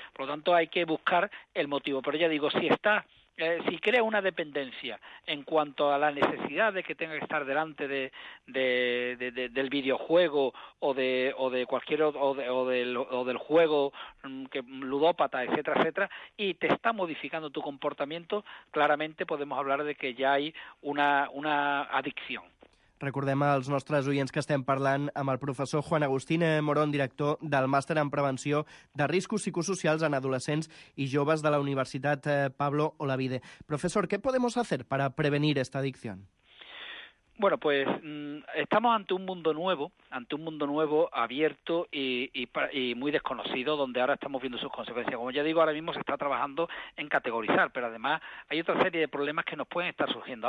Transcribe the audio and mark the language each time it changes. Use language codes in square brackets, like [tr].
[es] Por lo tanto, hay que buscar el motivo. Pero ya digo, si está, si crea una dependencia en cuanto a la necesidad de que tenga que estar delante del videojuego o de cualquier o del juego que ludópata, etcétera, etcétera, y te está modificando tu comportamiento, claramente podemos hablar de que ya hay una adicción. [ca] Recordem als nostres oients que estem parlant amb el professor Juan Agustín Morón, director del Màster en Prevenció de Riscos Psicosocials en Adolescents i Joves de la Universitat Pablo Olavide. [es] Professor, ¿qué podemos hacer para prevenir esta adicción? Bueno, pues estamos ante un mundo nuevo, abierto y muy desconocido, donde ahora estamos viendo sus consecuencias. Como ya digo, ahora mismo se está trabajando en categorizar, pero además hay otra serie de problemas que nos pueden estar surgiendo.